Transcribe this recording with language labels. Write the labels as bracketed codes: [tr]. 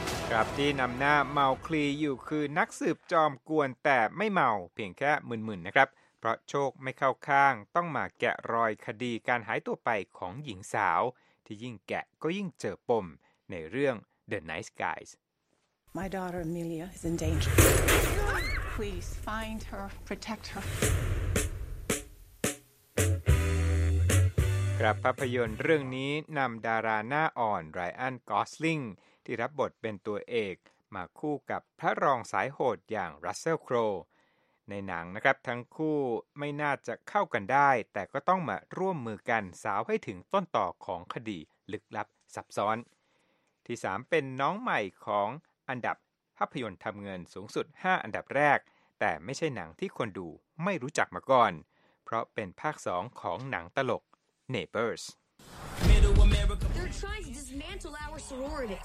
[th] ครับที่นำหน้าเมาคลีอยู่คือนักสืบจอมกวนแต่ไม่เมาเพียงแค่มึนๆนะครับเพราะโชคไม่เข้าข้างต้องมาแกะรอยคดีการหายตัวไปของหญิงสาวที่ยิ่งแกะก็ยิ่งเจอปมในเรื่อง The Nice Guys [en] My daughter Amelia is in danger. Please find her, protect her. [th] ครับภาพยนตร์เรื่องนี้นำดาราหน้าอ่อนไรอันกอสลิงที่รับบทเป็นตัวเอกมาคู่กับพระรองสายโหดอย่างรัสเซลโคร ในหนังนะครับทั้งคู่ไม่น่าจะเข้ากันได้แต่ก็ต้องมาร่วมมือกันสาวให้ถึงต้นต่อของคดีลึกลับซับซ้อนที่3เป็นน้องใหม่ของอันดับภาพยนตร์ทำเงินสูงสุด5อันดับแรกแต่ไม่ใช่หนังที่คนดูไม่รู้จักมาก่อนเพราะเป็นภาค2ของหนังตลก Neighbors [en] They're trying to dismantle our sorority.